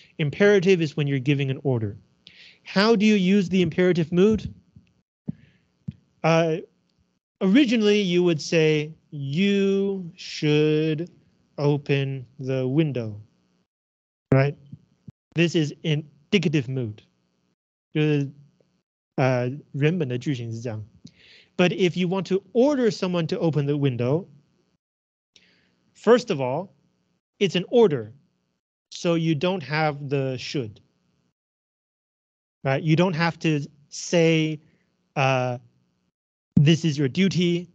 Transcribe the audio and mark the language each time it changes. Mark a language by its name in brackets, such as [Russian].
[English] Imperative is when you're giving an order. How do you use the imperative mood? Originally, you would say, you should open the window, right? This is indicative mood. [Chinese] 就是人本的句型是这样. [English] But if you want to order someone to open the window, first of all, it's an order, so you don't have the should, right? You don't have to say, this is your duty.